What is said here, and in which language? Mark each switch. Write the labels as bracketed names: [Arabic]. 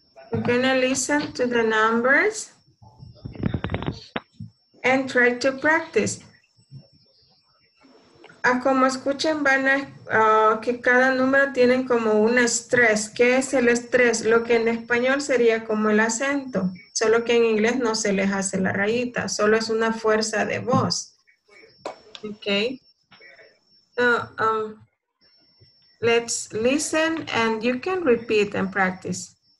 [English] We're gonna listen to the numbers and try to practice. [Spanish] A como escuchen, van a que cada número tienen como un estrés. ¿Qué es el estrés? Lo que en español sería como el acento, solo que en inglés no se les hace la rayita, solo es una fuerza de voz. [English] Ok. Let's listen and you can repeat and practice.